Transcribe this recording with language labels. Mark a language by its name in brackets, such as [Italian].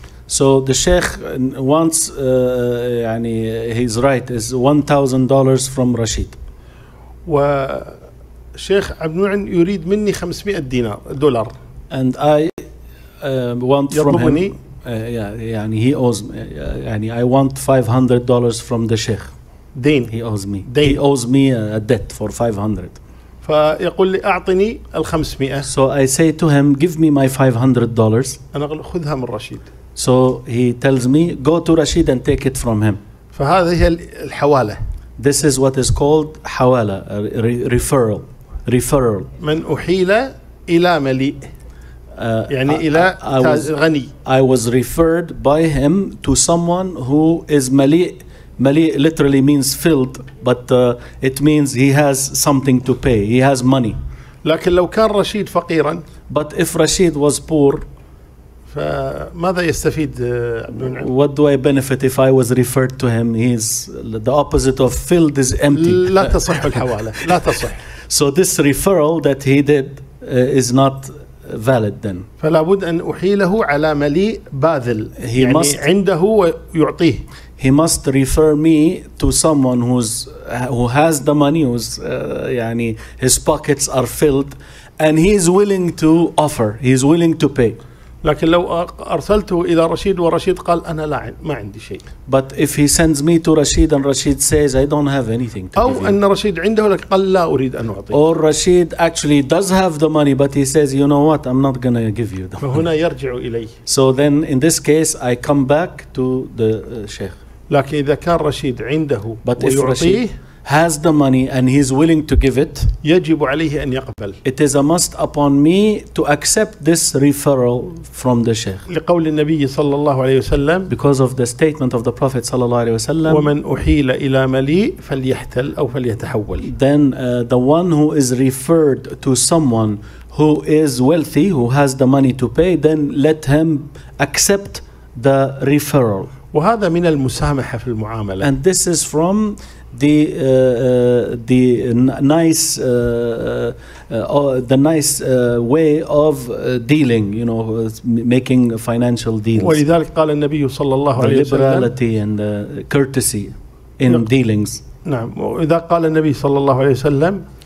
[English] So the Sheikh wants, يعني he's right, is $1,000 from Rashid. [Arabic] وشيخ عبد المنعم يريد مني $500. [English] And I want from him. يعني he owes me. يعني I want $500 from the Sheikh. [Arabic] دين. [English] He owes me. دين. He owes me a debt for $500. [Arabic] فيقول لي أعطني الخمسمائة. [English] So I say to him, give me my $500. [Arabic] أنا أقول خذها من رشيد. [English] So he tells me, go to Rashid and take it from him. [Arabic] فهذا هي الحوالة. [English] This is what is called حوالة, referral. Referral. [Arabic] من أحيل إلى مليء. يعني إلى غني. [English] I was referred by him to someone who is مليء. Mali literally means filled, but it means he has something to pay. He has money. [Arabic] لكن لو كان رشيد فقيرا. [English] But if Rashid was poor, [Arabic] فماذا يستفيد عبد المنعم؟ [English] What do I benefit if I was referred to him? He's the opposite of filled is empty. [Arabic] لا تصح الحوالة. لا تصح. [English] So this referral that he did is not valid then. [Arabic] فلا بد أن أحيله على مليء باذل. [English] He [Arabic] يعني [English] must [Arabic] عنده ويعطيه. [English] He must refer me to someone who has the money, who's يعني his pockets are filled, and he is willing to offer. He is willing to pay. [Arabic] لكن لو أرسلته إلى رشيد ورشيد قال أنا لا ما عندي شيء. [English] But if he sends me to Rashid and Rashid says I don't have anything to [Arabic] أو [English] give [Arabic] أن رشيد عنده لك قال لا أريد أن أعطيه. [English] Or Rashid actually does have the money but he says you know what I'm not gonna give you the. [Arabic] فهنا يرجع إليه. [English] So then in this case I come back to the Sheikh. [Arabic] لكن إذا كان رشيد عنده [English] but [Arabic] ويعطيه. [English] If Rashid has the money and he's willing to give it, [Arabic] يجب عليه أن يقبل. [English] It is a must upon me to accept this referral from the Sheikh. [Arabic] لقول النبي صلى الله عليه وسلم. [English] Because of the statement of the Prophet [Arabic] صلى الله عليه وسلم. ومن أحيل إلى مليء فليحتل أو فليتحول. [English] Then the one who is referred to someone who is wealthy, who has the money to pay, then let him accept the referral. [Arabic] وهذا من المسامحة في المعاملة. [English] And this is from the nice way of dealing, you know, making financial deals. [Arabic] ولذلك قال النبي صلى الله عليه وسلم. [English] Liberality and courtesy in dealings. [Arabic] نعم. وإذا قال النبي صلى الله عليه وسلم.